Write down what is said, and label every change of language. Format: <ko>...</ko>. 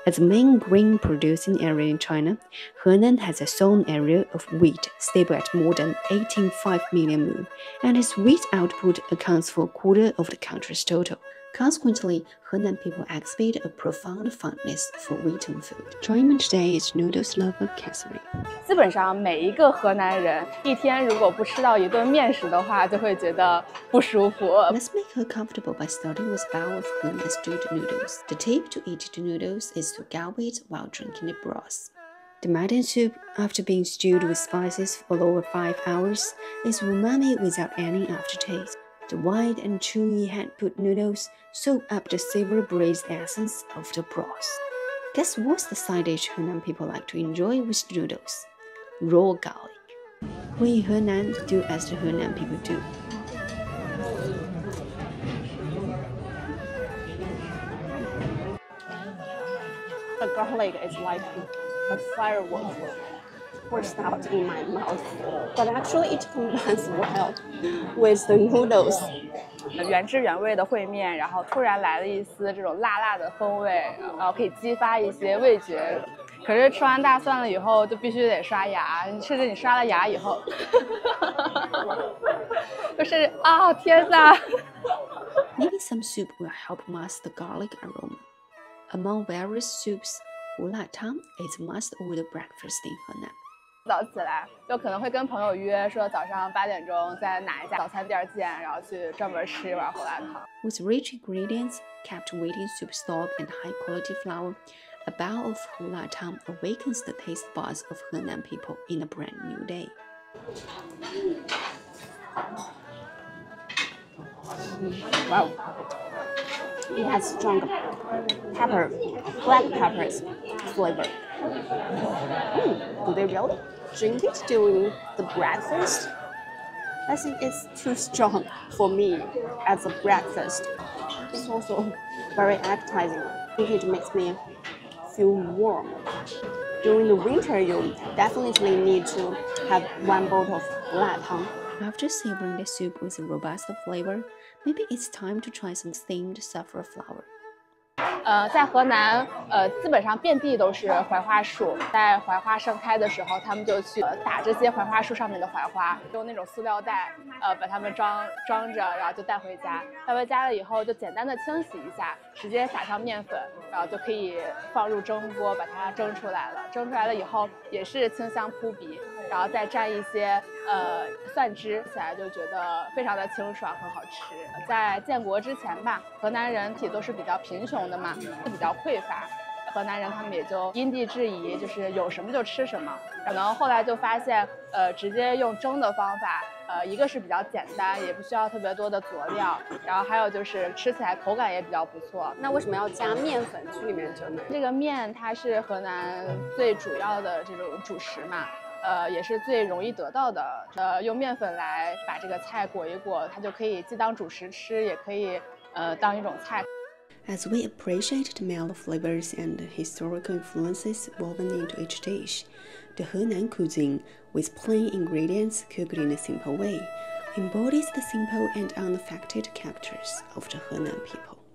<en>As the main grain-producing area in China, Henan has a sown area of wheat stable at more than 18.5 million mu, and its wheat output accounts for a quarter of the country's total. Consequently, Henan people exhibit a profound fondness for wheaten food. Joining me today is noodles lover Catherine.</en> <zh>基本上每一个河南人一天如果不吃到一顿面食的话，就会觉得不舒服。</zh> <en>Let's make her comfortable by starting with a bowl of Henan stewed noodles. The tip to eat the noodles is to gulp it while drinking the broth. The mutton soup, after being stewed with spices for over 5 hours, is umami without any aftertaste. The white and chewy hand-put noodles soak up the savory braised essence of the broth. Guess what's the side dish Henan people like to enjoy with noodles? Raw garlic. We Henan do as the Henan people do. The garlic is like a firework burst out in my mouth. But actually, it combines well with the noodles.</en> <zh>原汁原味的烩面，然后突然来了一丝这种辣辣的风味，然后可以激发一些味觉。可是吃完大蒜了以后，就必须得刷牙，甚至你刷了牙以后，就是啊，天哪</zh> <en>！Maybe some soup will help mask the garlic aroma. Among various soups, 胡辣汤 is must order breakfast in Henan.</en> <zh>早起来就可能会跟朋友约说早上8点在哪一家早餐店见，然后去专门吃一碗胡辣汤。</zh> <en>With rich ingredients, kept waiting soup stock and high quality flour, a bowl of 胡辣汤 awakens the taste buds of Henan people in a brand new day. 哇、wow. It has strong pepper, black pepper's flavor. Do they really drink it during the breakfast? I think it's too strong for me as a breakfast. It's also very appetizing. I think it makes me feel warm. During the winter, you definitely need to have one bottle of 胡辣汤. After savoring the soup with a robust flavor, maybe it's time to try some steamed safra flour.</en> <zh>在河南，基本上遍地都是槐花树。在槐花盛开的时候，他们就去打这些槐花树上面的槐花，用那种塑料袋，把它们装着，然后就带回家。带回家了以后，就简单的清洗一下，直接撒上面粉，然后就可以放入蒸锅把它蒸出来了。蒸出来了以后，也是清香扑鼻。然后再蘸一些蒜汁，起来就觉得非常的清爽，很好吃。在建国之前吧，河南人体都是比较贫穷的嘛，比较匮乏。河南人他们也就因地制宜，就是有什么就吃什么。可能后来就发现，直接用蒸的方法，一个是比较简单，也不需要特别多的佐料，然后还有就是吃起来口感也比较不错。那为什么要加面粉去里面蒸呢？这个面它是河南最主要的这种主食嘛。也是最容易得到的。用面粉来把这个菜裹一裹，它就可以既当主食吃，也可以当一种菜。</zh> <en>As we appreciate the mellow flavors and historical influences woven into each dish, the Henan cuisine, with plain ingredients cooked in a simple way, embodies the simple and unaffected characters of the Henan people.</en>